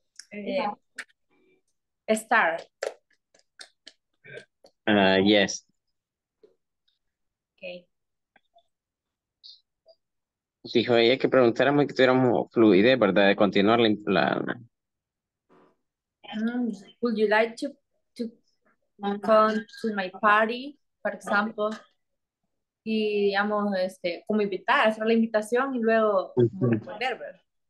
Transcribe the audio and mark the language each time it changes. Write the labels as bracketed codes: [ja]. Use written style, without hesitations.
[en] Yeah. Start. Yes. Okay. [es] Dijo ella que preguntáramos que tuviéramos fluidez, ¿verdad? De continuar la... [en] Would you like to come to my party, for example? [es] Y digamos, como invitar, hacer la invitación y luego responder, ¿verdad?